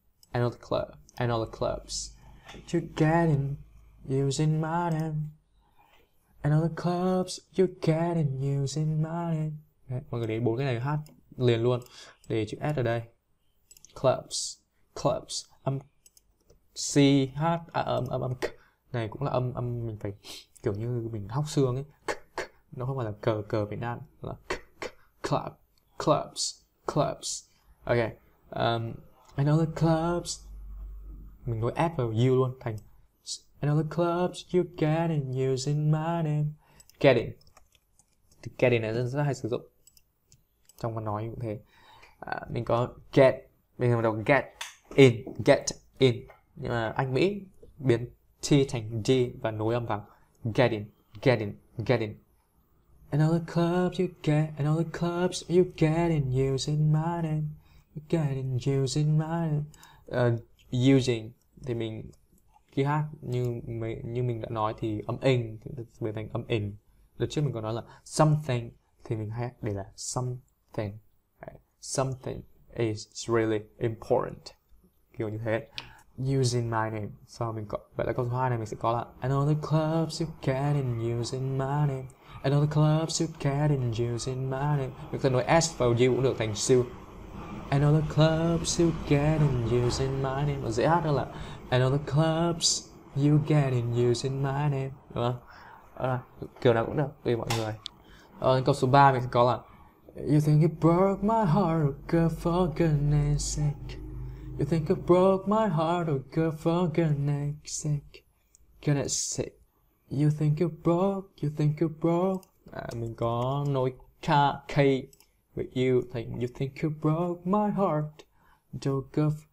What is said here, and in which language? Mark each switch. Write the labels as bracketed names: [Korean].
[English] And all the club, and all the clubs. You're getting using my name. And all the clubs, you're getting using my name. [Vietnamese] Đấy, mọi người để bốn cái này hát liền luôn. Để chữ S ở đây. Clubs, clubs. Âm C, H, à, âm K. Này cũng là âm mình phải kiểu như mình hóc xương ấy. K. Nó không phải là cờ cờ Việt Nam. Là [English] K. Club, clubs, clubs. Ok. And all the clubs. [Vietnamese] Mình nói S vào U luôn thành. [English] And all the clubs you get in using my name. Getting. [Vietnamese] Thì getting này rất hay sử dụng trong văn nói cũng thế. Mình có get, mình đọc [English] get in, get in. [Vietnamese] Nhưng mà Anh Mỹ biến T thành D và nối âm vào [English] getting, getting, getting. And all the clubs you get, and all the clubs you get in using my name. You get in using my name. [Vietnamese] Using thì mình khi hát như mình đã nói thì âm in biến thành âm in. Lúc trước mình có nói là something thì mình hay để là something. [English] Something is really important. [Vietnamese] Kiểu như thế. [English] Using my name. [Vietnamese] So mình có, vậy là câu thứ hai này mình sẽ có là [English] and all the clubs you get in using my name. And all the clubs you get in using my name. [Vietnamese] Mình có thể nói S vào U cũng được thành S. [English] And all the clubs you get in using my name. [Vietnamese] Mà dễ hát hơn là [English] and all the clubs you get in using my name. [Vietnamese] Đúng không? Kiểu nào cũng được, tùy mọi người. Câu số 3 mình sẽ có là [English] You think you broke my heart, oh girl, for goodness sake. You think you broke my heart, oh girl, for goodness sake. Goodness sake. You think you broke, you think you broke. [Vietnamese] Mình có nối K, K with U thành [English] You think you broke my heart, oh girl,